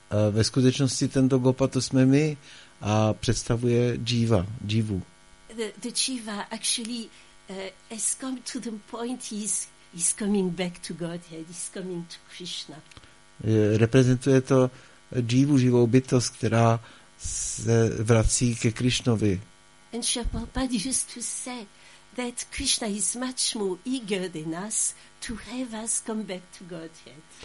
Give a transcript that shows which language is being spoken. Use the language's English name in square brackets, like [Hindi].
[Czech] Ve skutečnosti tento gopa to jsme my a představuje jiva, jivu. [English] The jiva actually has come to the point he's coming back to Godhead, he's coming to Krishna. [Czech] Reprezentuje to jivu, živou bytost, která se vrací ke Krishnovi. [English] And Srila Prabhupada used to say that Krishna is much more eager than us to have us come back to Godhead.